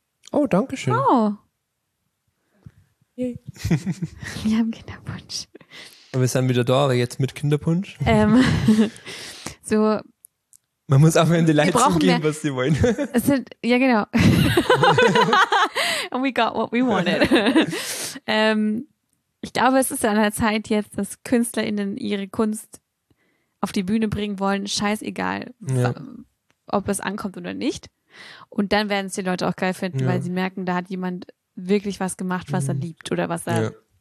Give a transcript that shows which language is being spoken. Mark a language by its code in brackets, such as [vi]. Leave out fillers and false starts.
[de] Oh, danke schön. Oh. Yay. Wir haben Kinderpunsch. Und wir sind wieder da, aber jetzt mit Kinderpunsch. So. Man muss auch in die Leute zugeben, was sie wollen. Es sind, ja, genau. [en] And we got what we wanted. [de] Ich glaube, es ist an der Zeit jetzt, dass KünstlerInnen ihre Kunst auf die Bühne bringen wollen. Scheißegal, ob es ankommt oder nicht. Und dann werden es die Leute auch geil finden, weil sie merken, da hat jemand wirklich was gemacht, was er liebt oder was er.